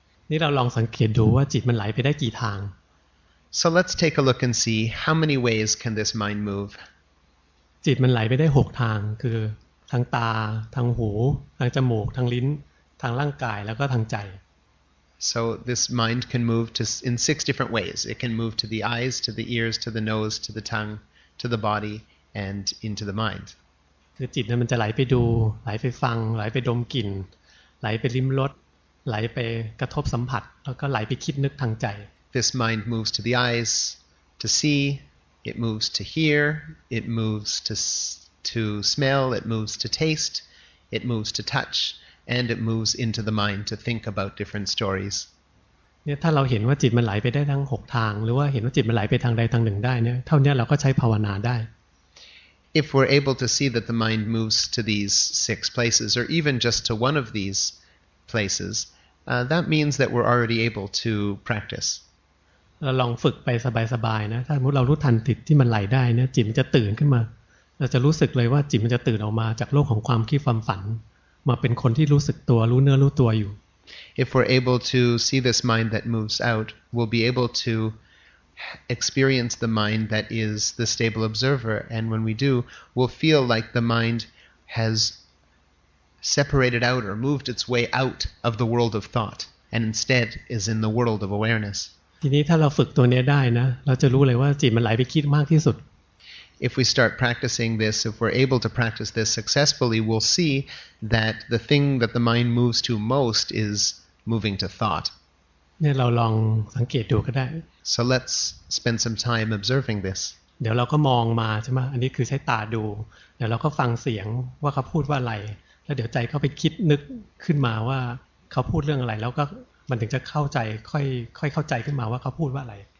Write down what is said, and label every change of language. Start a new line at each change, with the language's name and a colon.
Thai: นี่เราลองสังเกตดูว่าจิตมันไหลไปได้กี่ทาง
English: So let's take a look and see how many ways can this mind move
Thai: จิตมันไหลไปได้6ทางคือทางตาทางหูทางจมูกทางลิ้นทางร่างกายแล้วก็ทางใจ
English: So this mind can move to in 6 different ways. It can move to the eyes, to the ears, to the nose, to the tongue, to the body, and into the mind.
Thai: คือจิตเนี่ยมันจะไหลไปดูไหลไปฟังไหลไปดมกลิ่นไหลไปลิ้มรสไหลไปกระทบสัมผัสแล้วก็ไหลไปคิดนึกทางใจ
English: This mind moves to the eyes to see. It moves to hear. It moves to smell. It moves to taste. It moves to touch. And it moves into the mind to think about different stories.
Thai: เนี่ยถ้าเราเห็นว่าจิตมันไหลไปได้ทั้ง6ทางหรือว่าเห็นว่าจิตมันไหลไปทางใดทางหนึ่งได้เนี่ยเท่านี้เราก็ใช้ภาวนาได้
English: If we're able to see that the mind moves to these 6 places, or even just to one of these places, that means that we're already able to practice.
Thai: เราลองฝึกไปสบายๆนะถ้าสมมติเรารู้ทันจิตที่มันไหลได้เนี่ยจิตมันจะตื่นขึ้นมาเราจะรู้สึกเลยว่าจิตมันจะตื่นออกมาจากโลกของความคิดความฝันมาเป็นคนที่รู้สึกตัวรู้เนื้อรู้ตัวอยู่
English: If we're able to see this mind that moves out we'll be able to experience the mind that is the stable observer and when we do we'll feel like the mind has separated out or moved its way out of the world of thought and instead is in the world of awareness
Thai: ทีนี้ถ้าเราฝึกตัวนี้ได้นะเราจะรู้เลยว่าจิตมันไหลไปคิดมากที่สุด
English: if we start practicing this, if we're able to practice this successfully, we'll see that the thing that the mind moves to most is moving to thought.
Thai: เนี่ยเราลองสังเกตดูก็ได้
English: So let's spend some time observing this.
Thai: เดี๋ยวเราก็มองมาใช่ไหมอันนี้คือใช้ตาดูเดี๋ยวเราก็ฟังเสียงว่าเขาพูดว่าอะไรแล้วเดี๋ยวใจก็ไปคิดนึกขึ้นมาว่าเขาพูดเรื่องอะไรแล้วก็มันถึงจะเข้าใจค่อยเข้าใจขึ้นมาว่าเขาพูดว่าอะไร